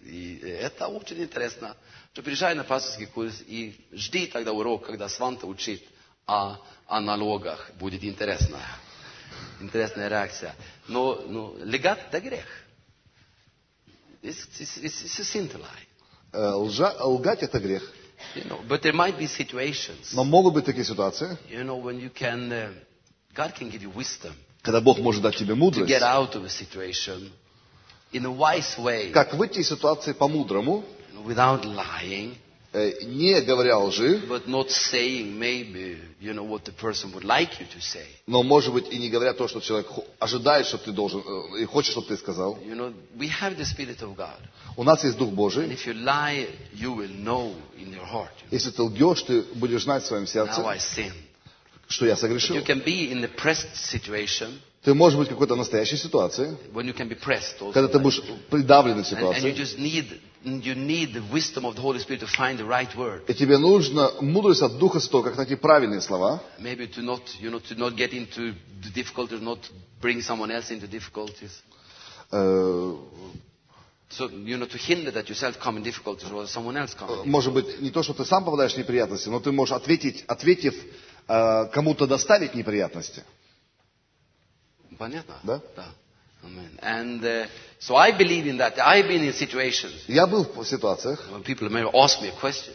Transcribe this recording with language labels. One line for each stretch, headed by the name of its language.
Russian: И это очень интересно. Что приезжай на пастырский курс и жди тогда урок, когда Сванта учит о налогах. Будет интересно. Интересная реакция. Но легат это грех.
English: It's a sin to lie.
Russian: Лгать это грех.
English: You know, but there might be situations.
Russian: Но могут быть такие ситуации.
English: You know, when you can, God can give you wisdom.
Russian: Когда Бог может дать тебе мудрость,
English: to get out of a situation in a wise way,
Russian: как выйти из ситуации по-мудрому,
English: without lying,
Russian: не говоря лжи,
English: but not saying maybe, you know, what the person would like you to say.
Russian: Но, может быть, и не говоря то, что человек ожидает, что ты должен, и хочет, чтобы ты сказал.
English: You know, we have the Spirit of God.
Russian: У нас есть Дух Божий.
English: And if you lie, you will know in your heart.
Russian: Если ты лгешь, ты будешь знать в своем сердце.
English: Now I sin.
Russian: Что я согрешил.
English: You can be in the pressed situation,
Russian: ты можешь быть в какой-то настоящей ситуации,
English: when you can be pressed also,
Russian: когда ты будешь придавлен в ситуации,
English: and you just need the wisdom of the Holy Spirit to find the right word.
Russian: И тебе нужна мудрость от Духа Святого, как найти правильные слова.
English: Maybe to not, you know, to not get into the difficulties, not bring someone else into difficulties. So, you know, to hinder that yourself come in difficulties or someone else come.
Russian: Может быть, не то, что ты сам попадаешь в неприятности, но ты можешь ответив кому-то доставить неприятности. Понятно? Да?
English: Да. Amen. And so I believe in that. I've been in situations.
Russian: Я был в ситуациях.
English: When people may ask me a question.